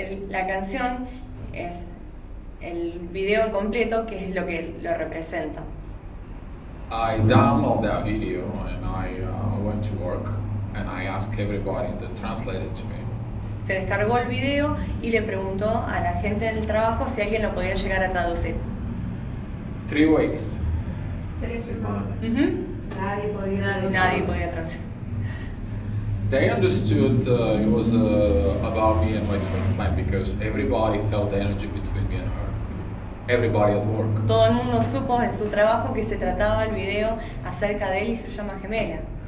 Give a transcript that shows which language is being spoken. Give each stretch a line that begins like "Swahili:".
Spanish: La canción es el video completo, que es lo que lo representa.
English: I downloaded that video and I went to work and I asked everybody to translate it to me.
Spanish: Se descargó el video y le preguntó a la gente del trabajo si alguien lo podía llegar a traducir.
English: 3 weeks.
Spanish: 3 semanas. Nadie podía traducir.
English: They understood it was about me and my twin flame because everybody felt the energy between me and her. Everybody at work.
Spanish: Todo el mundo supo en su trabajo que se trataba el video acerca de él y su llama gemela.